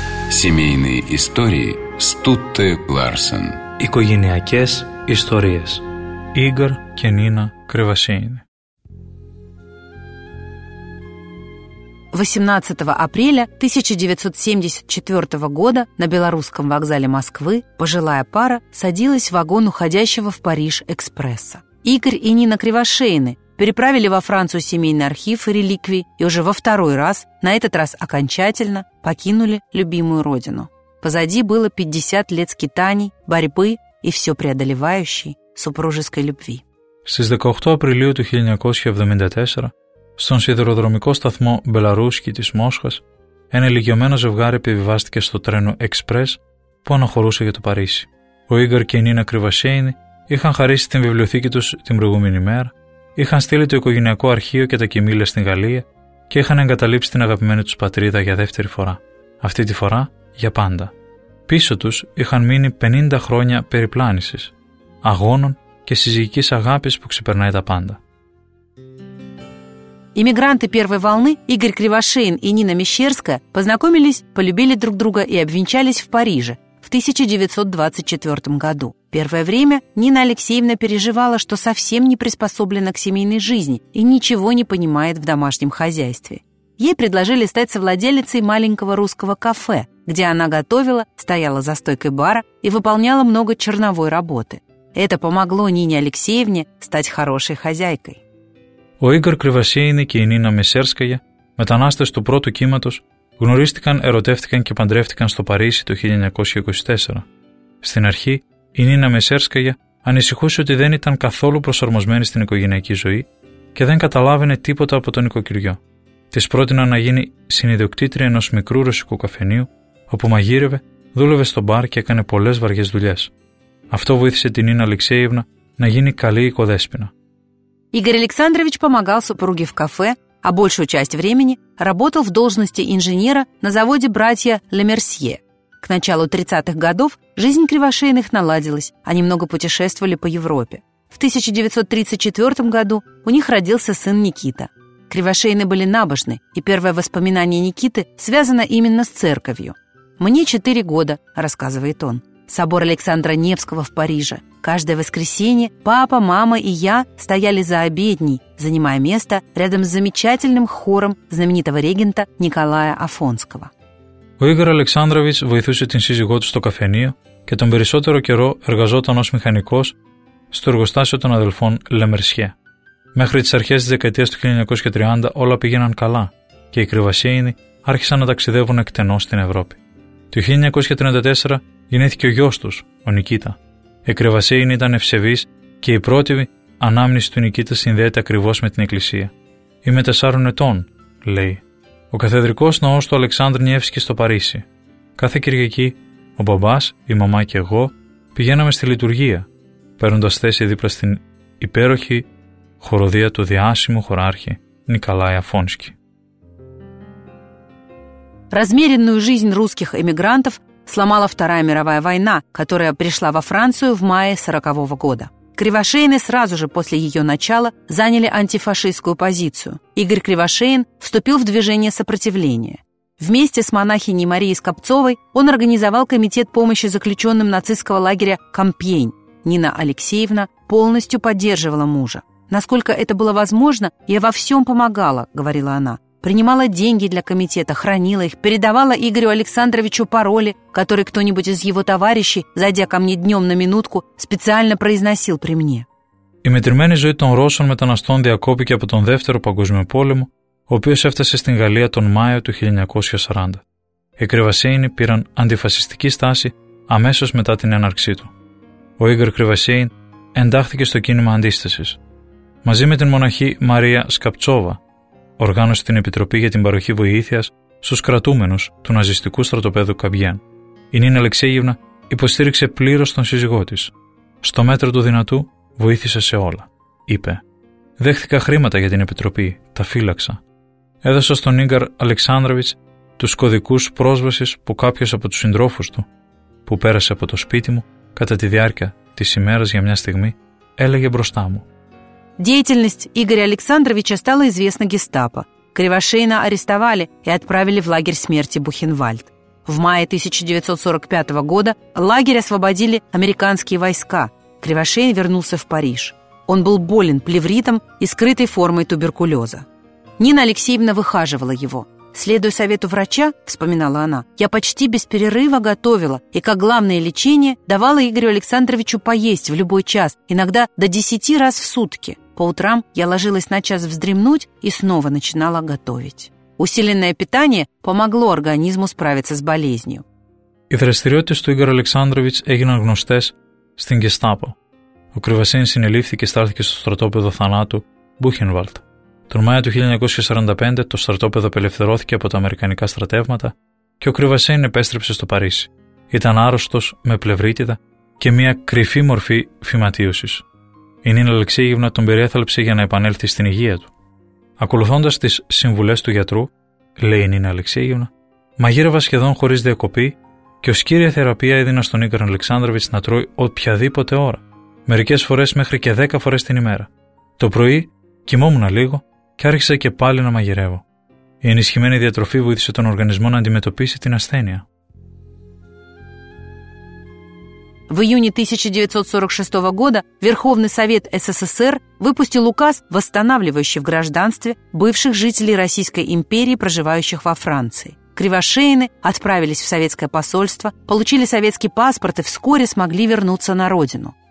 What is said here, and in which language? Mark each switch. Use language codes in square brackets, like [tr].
[ru] Семейные истории Стутте Ларсен. [el] Οικογενειακές ιστορίες. Ίγκορ και Νίνα Κρεβασίνη. [ru] 18 апреля 1974 года на белорусском вокзале Москвы пожилая пара садилась в вагон уходящего в Париж экспресса. Игорь и Нина Кривошейны переправили во Францию семейный архив и реликвии и уже во второй раз, на этот раз окончательно, покинули любимую родину. Позади было 50 лет скитаний, борьбы и все преодолевающей супружеской любви. [el] Στις 18 [ru] апреля [el] 1974 στον σιδηροδρομικό σταθμό Μπελαρούσκι της Μόσχας, ένα ηλικιωμένο ζευγάρι επιβιβάστηκε στο τρένο Express που αναχωρούσε για το Παρίσι. Ο Ίγκορ και η Νίνα Κρυβασέινη είχαν χαρίσει την βιβλιοθήκη τους την προηγούμενη μέρα, είχαν στείλει το οικογενειακό αρχείο και τα κοιμήλια στην Γαλλία και είχαν εγκαταλείψει την αγαπημένη τους πατρίδα για δεύτερη φορά. Αυτή τη φορά για πάντα. Πίσω τους είχαν μείνει 50 χρόνια περιπλάνησης, αγώνων και συζυγικής αγάπης που ξεπερνάει τα πάντα. [ru] Иммигранты первой волны Игорь Кривошеин и Нина Мещерская познакомились, полюбили друг друга и обвенчались в Париже в 1924 году. Первое время Нина Алексеевна переживала, что совсем не приспособлена к семейной жизни и ничего не понимает в домашнем хозяйстве. Ей предложили стать совладелицей маленького русского кафе, где она готовила, стояла за стойкой бара и выполняла много черновой работы. Это помогло Нине Алексеевне стать хорошей хозяйкой. [el] Ο Ίγκορ Κρυβασέινη και η Νίνα Μεσέρσκαγια, μετανάστες του πρώτου κύματος, γνωρίστηκαν, ερωτεύτηκαν και παντρεύτηκαν στο Παρίσι το 1924. Στην αρχή, η Νίνα Μεσέρσκαγια ανησυχούσε ότι δεν ήταν καθόλου προσαρμοσμένη στην οικογενειακή ζωή και δεν καταλάβαινε τίποτα από τον οικοκυριό. Της πρότειναν να γίνει συνειδιοκτήτρια ενός μικρού ρωσικού καφενείου, όπου μαγείρευε, δούλευε στο μπαρ και έκανε πολλές βαριές δουλειές. Αυτό βοήθησε την Νίνα Αλεξέιβνα να γίνει καλή οικοδέσποινα. [ru] Игорь Александрович помогал супруге в кафе, а большую часть времени работал в должности инженера на заводе братья Лемерсье. К началу 30-х годов жизнь Кривошейных наладилась, они много путешествовали по Европе. В 1934 году у них родился сын Никита. Кривошейны были набожны, и первое воспоминание Никиты связано именно с церковью. «Мне 4 года», — рассказывает он. собор Александра Невского в Париже. Каждое воскресенье папа, мама и я стояли за обедней, занимая место рядом с замечательным хором знаменитого регента Николая Афонского. [el] Ο Ίγκορ Αλεξάνδροβιτς βοηθούσε την σύζυγό του στο καφενείο και τον περισσότερο καιρό εργαζόταν ως μηχανικός στο εργοστάσιο των αδελφών Le Mercier. Μέχρι τις αρχές της δεκαετίας του 1930 όλα πήγαιναν καλά και οι κρυβασίινοι άρχισαν να ταξιδεύουν εκτενώς στην Ευρώπη. Το 1934 γεννήθηκε ο γιος τους, ο Νικήτα. Οι κρυβασίινοι ήταν ευσεβείς και η πρώτη ανάμνηση του Νικήτα συνδέεται ακριβώς με την Εκκλησία. «Είμαι 4 ετών», λέει. Ο καθεδρικός ναός του Αλεξάνδρ Νιεύσκη στο Παρίσι. Κάθε Κυριακή, ο μπαμπάς, η μαμά και εγώ πηγαίναμε στη λειτουργία, παίρνοντας θέση δίπλα στην υπέροχη χοροδία του διάσημου χωράρχη Νικολάη Αφόνσκη. [ru] Размеренную жизнь русских эмигрантов сломала Вторая мировая война, которая пришла во Францию в мае 40-го года. Кривошеины сразу же после ее начала заняли антифашистскую позицию. Игорь Кривошеин вступил в движение сопротивления. Вместе с монахиней Марией Скопцовой он организовал комитет помощи заключенным нацистского лагеря «Кампьень». Нина Алексеевна полностью поддерживала мужа. «Насколько это было возможно, я во всем помогала», — говорила она. «Принимала деньги для комитета, хранила их, передавала Игорю Александровичу пароли, которые кто-нибудь из его товарищей, зайдя ко мне днем на минутку, специально произносил при мне». [el] Η μετρημένη ζωή των Ρώσων μεταναστών διακόπηκε από τον Δεύτερο Παγκόσμιο Πόλεμο, ο οποίος έφτασε στην Γαλλία τον Μάιο του 1940. Οι Κρυβασίινοι πήραν αντιφασιστική στάση αμέσως μετά την έναρξή του. Ο Ίγκορ Κρυβασίιν εντάχθηκε στο κίνημα αντίστασης. Μαζί με την μοναχή Μαρία Σκαπτσόβα, οργάνωσε την Επιτροπή για την Παροχή Βοήθειας στους κρατούμενους του ναζιστικού στρατοπέδου Καμπιέν. Η Νίνα Αλεξέγευνα υποστήριξε πλήρως τον σύζυγό της. «Στο μέτρο του δυνατού βοήθησε σε όλα», είπε. «Δέχθηκα χρήματα για την Επιτροπή, τα φύλαξα. Έδωσα στον Ίγκορ Αλεξάνδροβιτς τους κωδικούς πρόσβασης που κάποιος από τους συντρόφους του, που πέρασε από το σπίτι μου κατά τη διάρκεια της ημέρας για μια στιγμή, έλεγε μπροστά μου». [ru] Деятельность Игоря Александровича стала известна гестапо. Кривошеина арестовали и отправили в лагерь смерти Бухенвальд. В мае 1945 года лагерь освободили американские войска. Кривошеин вернулся в Париж. Он был болен плевритом и скрытой формой туберкулеза. Нина Алексеевна выхаживала его. «Следуя совету врача, — вспоминала она, — я почти без перерыва готовила и, как главное лечение, давала Игорю Александровичу поесть в любой час, иногда до 10 раз в сутки. По утрам я ложилась на час вздремнуть и снова начинала готовить». Усиленное питание помогло организму справиться с болезнью. [el] Οι δραστηριότητες του Игоря Александровича έγιναν γνωστές στην Gestapo. Ο Κρυβασίιν συνελήφθη και στάθηκε στο στρατόπεδο θανάτου Buchenwald. Τον Μάιο του 1945 το στρατόπεδο απελευθερώθηκε από τα αμερικανικά στρατεύματα και ο Κρυβασίιν επέστρεψε στο Παρίσι. Ήταν άρρωστος με πλευρίτιδα και μια κρυφή μορφή φυματίωσης. Η Νίνα Αλεξίγευνα τον περιέθαλψε για να επανέλθει στην υγεία του. Ακολουθώντας τις συμβουλές του γιατρού, λέει η Νίνα Αλεξίγευνα, μαγείρευα σχεδόν χωρίς διακοπή και ως κύρια θεραπεία έδινα στον Ίγκορ Αλεξάνδροβιτς να τρώει οποιαδήποτε ώρα, μερικές φορές μέχρι και 10 φορές την ημέρα. Το πρωί κοιμόμουν λίγο και άρχισα και πάλι να μαγειρεύω. Η ενισχυμένη διατροφή βοήθησε τον οργανισμό να αντιμετωπίσει την ασθένεια. [ru] В июне 1946 года Верховный Совет СССР выпустил указ, восстанавливающий в гражданстве бывших жителей Российской империи, проживающих во Франции. Кривошеины отправились в советское посольство, получили советский паспорт и вскоре смогли вернуться на родину.